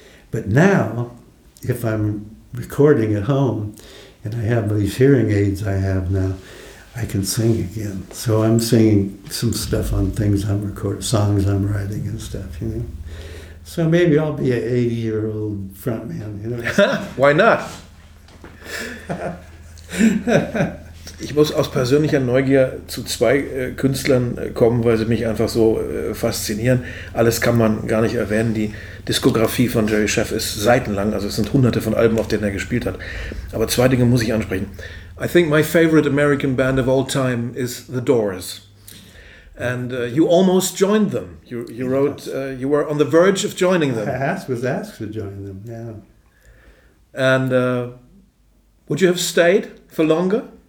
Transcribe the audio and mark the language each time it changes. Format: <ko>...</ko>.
<en>But now, if I'm recording at home, and I have these hearing aids I have now, I can sing again. So I'm singing some stuff on things I'm recording, songs I'm writing and stuff, you know. So maybe I'll be an 80-year-old front man, you know. Why not?</en> <de>Ich muss aus persönlicher Neugier zu zwei Künstlern kommen, weil sie mich einfach so faszinieren. Alles kann man gar nicht erwähnen. Die Diskografie von Jerry Sheff ist seitenlang. Also es sind hunderte von Alben, auf denen er gespielt hat. Aber zwei Dinge muss ich ansprechen.</de> <en>I think my favorite American band of all time is The Doors. And you almost joined them. You wrote, you were on the verge of joining them. I was asked to join them, yeah. And would you have stayed for longer?</en>